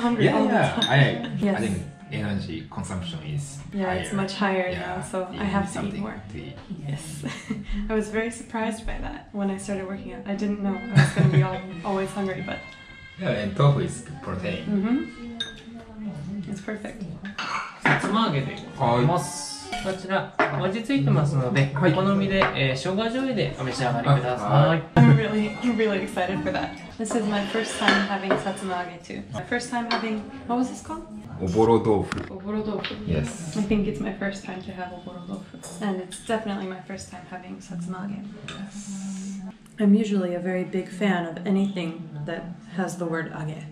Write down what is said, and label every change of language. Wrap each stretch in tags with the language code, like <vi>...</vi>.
<en>Hungry yeah, all yeah. the time. I think energy consumption is higher. It's much higher now, so I have to eat more. To eat. Yes. I was very surprised by that when I started working out. I didn't know I was going to be always hungry, but... Yeah, and tofu is good protein. Mm-hmm. It's perfect.</en> <ja>さつま揚げでございます。こちら、味付いてますので、はい、お好みで、生姜醤油でお召し上がりください。</ja> <en>I'm really, really excited for that. This is my first time having satsumaage too. My first time having, what was this called?</en> <ja>おぼろ豆腐。おぼろ豆腐。</ja> <en>Yes. I think it's my first time to have おぼろ豆腐。 And it's definitely my first time having satsumaage. Yes. I'm usually a very big fan of anything that has the word 揚げ.</en>